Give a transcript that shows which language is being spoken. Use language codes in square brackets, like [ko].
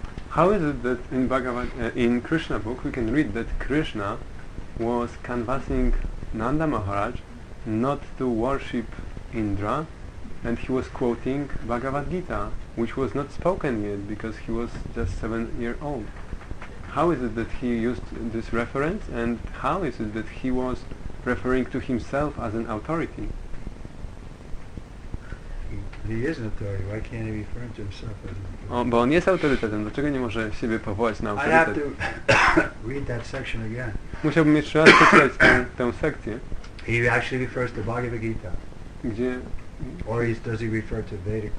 [en] How is it that in Bhagavad, in Krishna book we can read that Krishna was canvassing Nanda Maharaj not to worship Indra, and he was quoting Bhagavad Gita, which was not spoken yet because he was just 7 years old? How is it that he used this reference, and how is it that he was referring to himself as an authority? He is an authority. Why can't he refer to himself as an authority? [pl] Bo on jest autorytetem. Dlaczego nie może siebie powołać na autorytet? [en] I have to read that section again. [pl] Musiałbym jeszcze raz przeczytać tę sekcję. [en] He actually refers to Bhagavad Gita. [pl] Gdzie? [en] Or does he refer to Vedic?